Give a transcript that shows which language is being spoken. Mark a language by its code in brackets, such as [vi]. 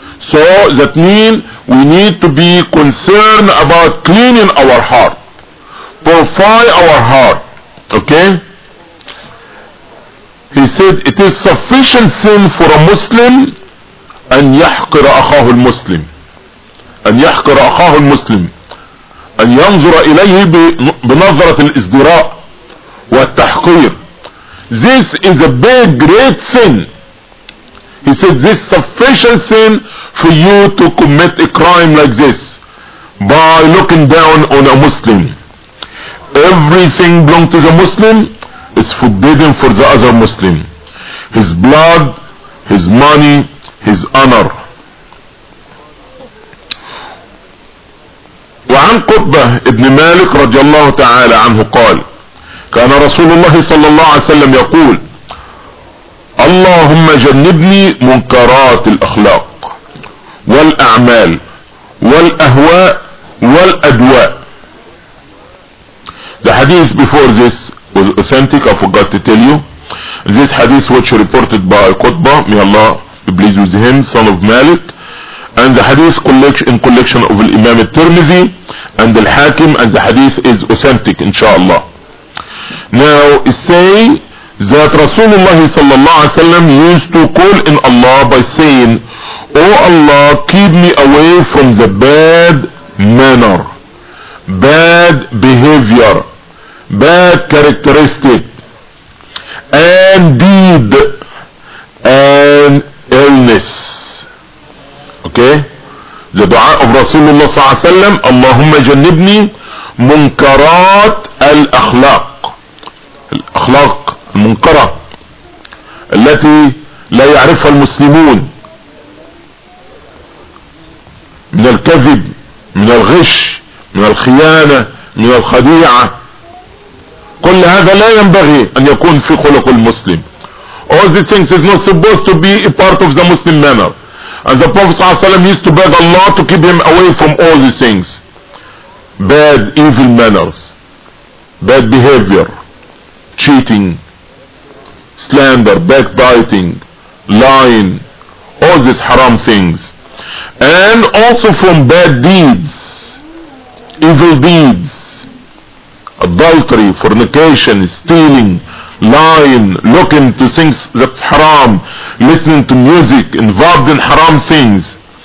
[en] So that means we need to be concerned about cleaning our heart, purify our heart. Okay? He said it is sufficient sin for a Muslim [ar] أن يحقر أخاه المسلم. أن يحقر أخاه المسلم. أن ينظر إليه بنظرة الإزدراء والتحقير. [en] This is a big, great sin. He said this sufficient sin for you to commit a crime like this by looking down on a Muslim. Everything belongs to the Muslim is forbidden for the other Muslim. His blood, his money, his honor. [ar] وعن قطبة ابن مالك رضي الله تعالى عنه قال كان رسول الله صلى الله عليه وسلم يقول اللهم جنبني منكرات الأخلاق والأعمال والأهواء والأدواء. [en] The hadith before this was authentic, I forgot to tell you. This hadith was reported by Qutba, may Allah be pleased with him, son of Malik. And the hadith in collection of Imam al-Tirmidhi and al-Hakim, and the hadith is authentic, inshallah. Now, say that Rasulullah sallallahu alayhi wa sallam used to call in Allah by saying, O Allah, keep me away from the bad manner, bad behavior, bad characteristic, and deed, and illness. Okay? the dua of Rasulullah [ar] صلى الله عليه وسلم, اللهم جنبني منكرات الأخلاق, الأخلاق المنكرة التي لا يعرفها المسلمون من الكذب, من الغش, من الخيانة, من الخديعة. كل هذا لا ينبغي أن يكون في خلق المسلم. [en] All these things is not supposed to be a part of the Muslim manner. And the Prophet [ar] صلى الله عليه وسلم [en] used to beg Allah to keep him away from all these things, bad, evil manners, bad behavior, cheating, slander, backbiting, lying, all these haram things, and also from bad deeds, evil deeds, adultery, fornication, stealing, lying, looking to things that's haram, listening to music, involved in haram things.